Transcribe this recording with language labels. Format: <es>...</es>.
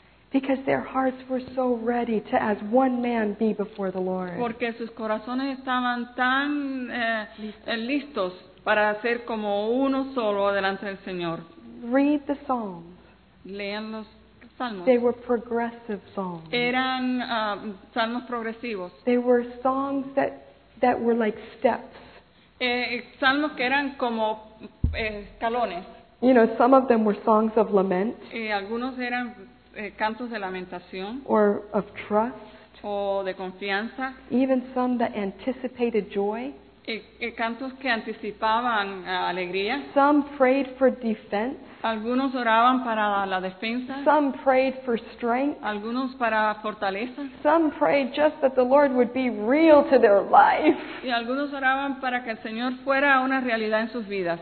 <en>Because their hearts were so ready to, as one man, be before the Lord.</en> <es>Porque sus corazones estaban tan listos para ser como uno solo delante del Señor.</es> <en>Read the Psalms.</en> <es>Lean los Salmos.</es> <en>They were progressive songs.</en> <es>Eran salmos progresivos.</es> <en>They were songs that were like steps.</en> <es>Salmos que eran como escalones.</es> <en>You know, some of them were songs of lament.</en> <es>Algunos eran cantos de lamentación.</es> <en>Or of trust.</en> <es>O de confianza.</es> <en>Even some that anticipated joy.</en> <es>Cantos que anticipaban alegría.</es> <en>Some prayed for defense.</en> <es>Algunos oraban para la defensa.</es> <en>Some prayed for strength.</en> <es>Algunos para fortaleza.</es> <en>Some prayed just that the Lord would be real to their life.</en> <es>Y algunos oraban para que el Señor fuera una realidad en sus vidas.</es>